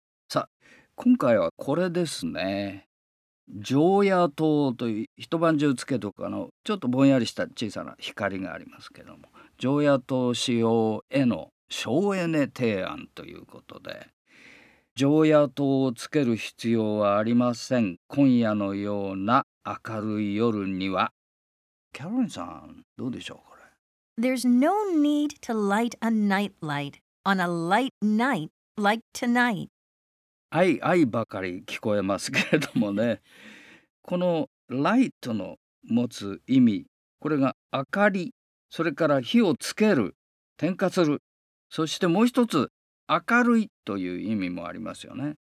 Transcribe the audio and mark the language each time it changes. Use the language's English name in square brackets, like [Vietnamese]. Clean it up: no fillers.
[Japanese] さあ今回はこれですね。常夜灯という一晩中つけとくあのちょっとぼんやりした小さな光がありますけども、常夜灯使用への省エネ提案ということで、常夜灯をつける必要はありません、今夜のような明るい夜には。キャロリンさんどうでしょうか。 [English] There's no need to light a nightlight on a light night like tonight. [Japanese] I ばかり聞こえますけれどもね。この light の持つ意味、これが明かり、それから火をつける、点火する、そしてもう一つ明るいという意味もありますよね。